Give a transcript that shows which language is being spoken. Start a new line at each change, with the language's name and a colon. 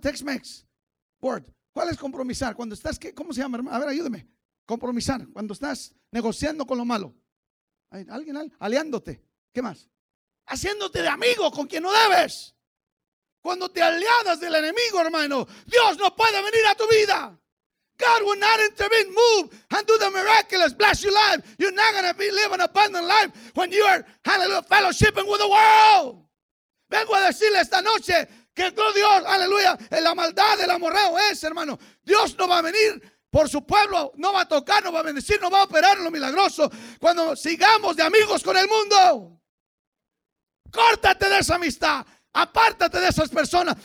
English: Tex-Mex word.
Spanish: ¿Cuál es compromisar? Cuando estás, ¿qué? ¿Cómo se llama, hermano? A ver, ayúdeme. Compromisar, cuando estás negociando con lo malo. Alguien aliándote, ¿qué más? Haciéndote de amigo con quien no debes. Cuando te aliadas del enemigo, hermano, Dios no puede venir a tu vida.
English: God will not intervene, move and do the miraculous, bless your life. You're not going to be living an abundant life when you are hallelujah, fellowshipping with the world.
Spanish: Vengo a decirle esta noche que Dios, aleluya, en la maldad del amorreo es, hermano, Dios no va a venir por su pueblo, no va a tocar, no va a bendecir, no va a operar en lo milagroso. Cuando sigamos de amigos con el mundo, córtate de esa amistad, apártate de esas personas.